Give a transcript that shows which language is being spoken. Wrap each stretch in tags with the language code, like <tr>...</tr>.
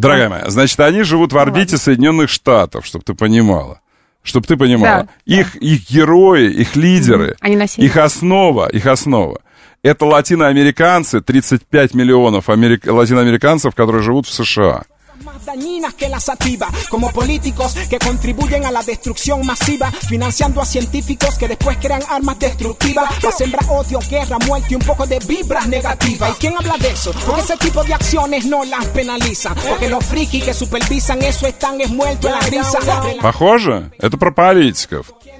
<ru>Дорогая моя, значит, они живут в орбите Соединенных Штатов, чтобы ты понимала. Чтобы ты понимала. Да, их, да. Их герои, их лидеры, они их основа, это латиноамериканцы, 35 миллионов латиноамериканцев, которые живут в США.</ru> <es>Dañinas que la sativa, como políticos que contribuyen a la destrucción masiva, financiando a científicos que después crean armas destructivas, para sembrar odio, guerra, muerte y un poco de vibras negativas. ¿Y quién habla de eso? Porque ese tipo de acciones no las penalizan, porque los frikis que supervisan eso están es muerto en la risa.</es> <ru>Похоже, это про политиков.</ru>